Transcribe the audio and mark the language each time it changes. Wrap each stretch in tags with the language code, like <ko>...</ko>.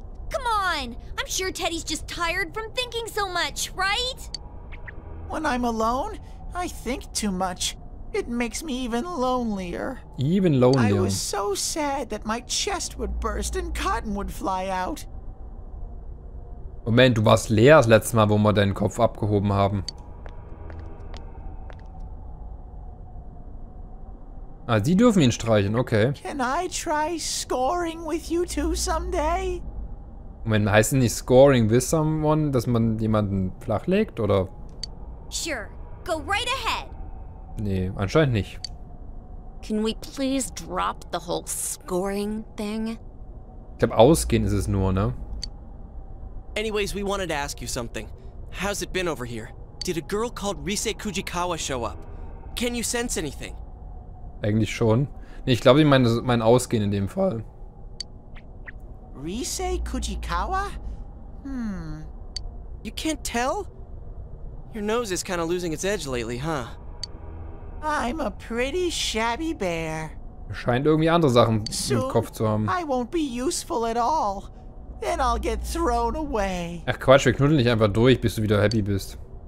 <en>Come on! I'm sure Teddy's just tired from thinking so much, right? When I'm alone, I think too much. It makes me even lonelier. Even lonelier. I was so sad that my chest would burst and cotton would fly out.</en> <de>Moment, du warst leer das letzte Mal, wo wir deinen Kopf abgehoben haben. Ah, sie dürfen ihn streichen, okay.</de> <en>Can I try scoring with you two someday?</en> <de>Moment, heißt es nicht</de> <en>scoring with someone,</en> <de>dass man jemanden flachlegt, oder?</de> <en>Sure, go right ahead.</en> <de>Nee, anscheinend nicht.</de> <en>Can we please drop the whole scoring thing?</en> <de>Ich glaube, ausgehen ist es nur, ne?</de> <en>Anyways, we wanted to ask you something. How's it been over here? Did a girl called Risei Kujikawa show up? Can you sense anything?</en> <de>Eigentlich schon. Nee, ich glaube, ich meine mein Ausgehen in dem Fall.</de> <en>Risei Kujikawa? You can't tell? Your nose is kind of losing its edge lately, huh? I'm a pretty shabby bear.</en> <de>Scheint irgendwie andere Sachen im Kopf zu haben.</de> <en>I won't be useful at all. Then I'll get thrown away.</en> <de>Ach Quatsch, wir knuddeln dich einfach durch, bis du wieder happy bist.</de>